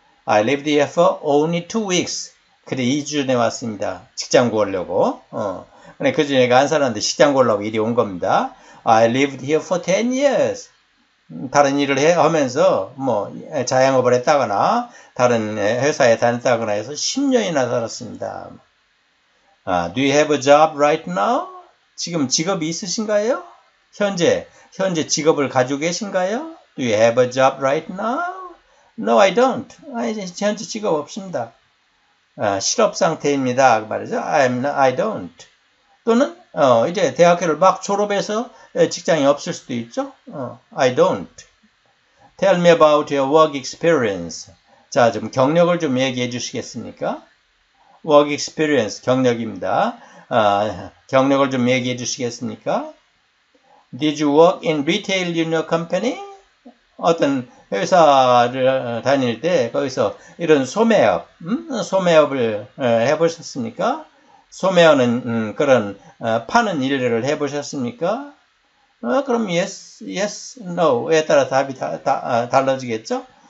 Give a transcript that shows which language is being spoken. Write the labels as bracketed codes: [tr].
[en] I lived here for only 2 weeks. [ko] 그래 2주 전에 왔습니다. 직장 구하려고. 근데 그 중에 내가 안 살았는데 직장 구하려고 일이 온 겁니다. [en] I lived here for 10 years. [ko] 다른 일을 하면서 뭐 자영업을 했다거나 다른 회사에 다녔다거나 해서 10년이나 살았습니다. [en] 아, do you have a job right now? [ko] 지금 직업이 있으신가요? 현재 직업을 가지고 계신가요? [en] Do you have a job right now? No, I don't. [ko] 현재 직업 없습니다. 아, 실업 상태입니다. 그 말이죠. [en] I don't. [ko] 또는 이제 대학교를 막 졸업해서 직장이 없을 수도 있죠. [en] I don't. Tell me about your work experience. [ko] 자, 좀 경력을 좀 얘기해 주시겠습니까? [en] Work experience, [ko] 경력입니다. 경력을 좀 얘기해 주시겠습니까? [en] Did you work in retail in your company? [ko] 어떤 회사를 다닐 때 거기서 이런 소매업, 소매업을 해보셨습니까? 소매업은 그런 파는 일을 해보셨습니까? 그럼 [en] yes, yes, no [ko] 에 따라 답이 달라지겠죠?